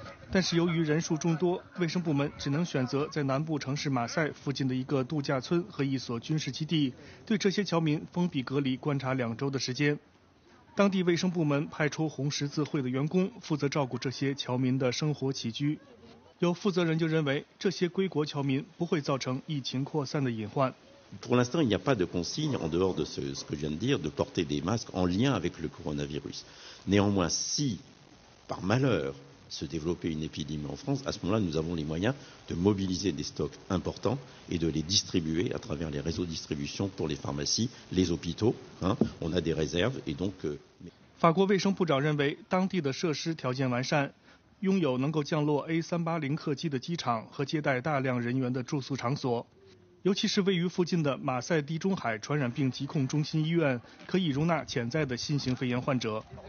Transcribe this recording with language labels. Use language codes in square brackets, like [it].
[zh] 但是由于人数众多，卫生部门只能选择在南部城市马赛附近的一个度假村和一所军事基地对这些侨民封闭隔离观察2周的时间。当地卫生部门派出红十字会的员工负责照顾这些侨民的生活起居。有负责人就认为，这些归国侨民不会造成疫情扩散的隐患。 [fr] Pour l'instant, il n'y a pas de consigne en dehors de ce que je viens de dire de porter des masques en lien avec le coronavirus. Néanmoins, si par malheur se développait une épidémie en France, à ce moment-là, nous avons les moyens de mobiliser des stocks importants et de les distribuer à travers les réseaux de distribution pour les pharmacies, les hôpitaux. On a des réserves et donc. [zh] 法国卫生部长认为，当地的设施条件完善，拥有能够降落 A380 客机的机场和接待大量人员的住宿场所。尤其是位于附近的马赛地中海传染病疾控中心医院，可以容纳潜在的新型肺炎患者。